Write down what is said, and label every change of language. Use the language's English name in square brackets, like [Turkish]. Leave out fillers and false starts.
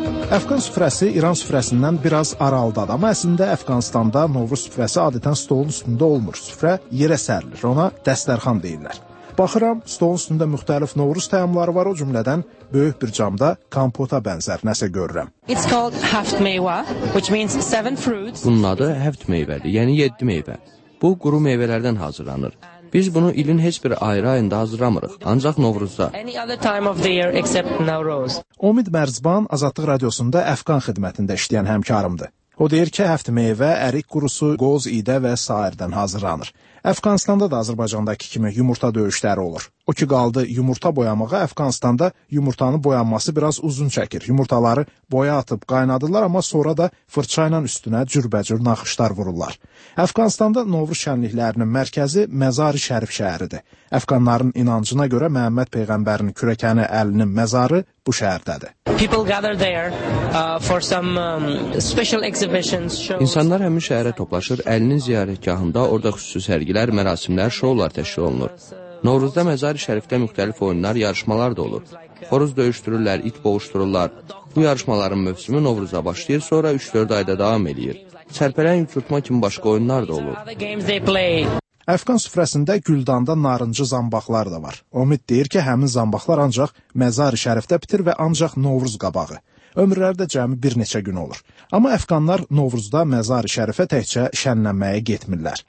[Azerbaijani] Əfqan süfrəsi İran süfrəsindən biraz aralıdadır, amma əslində Əfqanistanda Novruz süfrəsi adətən stolun üstündə olmur. Süfrə yerə sərilir, ona dəstərxan deyirlər. Baxıram, stolun üstündə müxtəlif Novruz təamları var, o cümlədən böyük bir camda kompota bənzər nəsə görürəm. [English] It's called haft meyva, which means seven fruits. [Azerbaijani] Bunun adı haft meyvədir, yəni 7 meyvə. Bu, quru meyvələrdən hazırlanır. Biz bunu ilin heç bir ayrı ayında hazırlamırıq, ancaq Novruzda. [English] Any other time of the year except Nowruz. [Azerbaijani] Omid Mərzban Azadlıq Radiosunda Əfqan xidmətində işləyən həmkarımdır. O deyir ki, haft meyvə, ərik qurusu, qoz, idə və s. hazırlanır. Əfqanistanda da Azərbaycandakı kimi yumurta döyüşləri olur. O ki, qaldı yumurta boyamağa, Əfqanistanda yumurtanın boyanması biraz uzun çəkir. Yumurtaları boya atıb qaynadırlar, amma sonra da fırçayla üstünə cürbəcür naxışlar vururlar. Əfqanistanda Novruz şənliklərinin mərkəzi Məzari Şərif şəhəridir. Əfqanların inancına görə Məhəmməd Peyğəmbərin kürəkəni əlinin məzarı bu şəhərdədir. [English] People gather there for some special exhibitions. [Azerbaijani] İnsanlar həmin şəhərə toplaşır, əlinin ziyarətgahında orada xüsusi sərgilər, mərasimlər, şoular təşkil olunur. Novruzda Məzari Şərifdə müxtəlif oyunlar, yarışmalar da olur. Xoruz döyüşdürürlər, it boğuşdururlar. Bu yarışmaların mövsümü Novruzda başlayır, sonra 3-4 ayda davam edir. Çərpələn yutma kimi başqa oyunlar da olur. Əfqan süfrəsində güldanda narıncı zambaqlar da var. Omid deyir ki, həmin zambaqlar ancaq Məzari Şərifdə bitir və ancaq Novruz qabağı. Ömürlərdə cəmi bir neçə gün olur. Amma Əfqanlar Novruzda Məzari Şərifə təkcə şənlənməyə getmirlər.